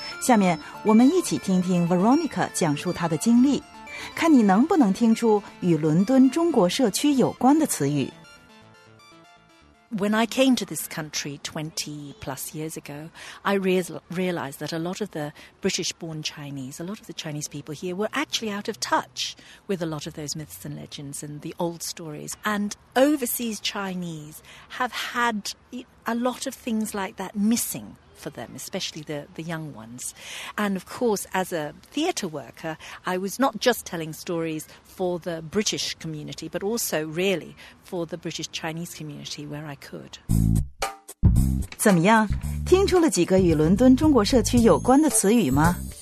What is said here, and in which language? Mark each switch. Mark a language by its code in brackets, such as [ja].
[zh] 下面我们一起听听 Veronica 讲述她的经历，看你能不能听出与伦敦中国社区有关的词语。 [en] When I came to this country 20 plus years ago, I realized that a lot of the British-born Chinese, a lot of the Chinese people here were actually out of touch with a lot of those myths and legends and the old stories. And overseas Chinese have had a lot of things like that missing. For them, especially the young ones. And of course, as a theatre worker, I was not just telling stories for the British community, but also really for the British Chinese community where I could. [zh] 怎么样？听出了几个与伦敦中国社区有关的词语吗？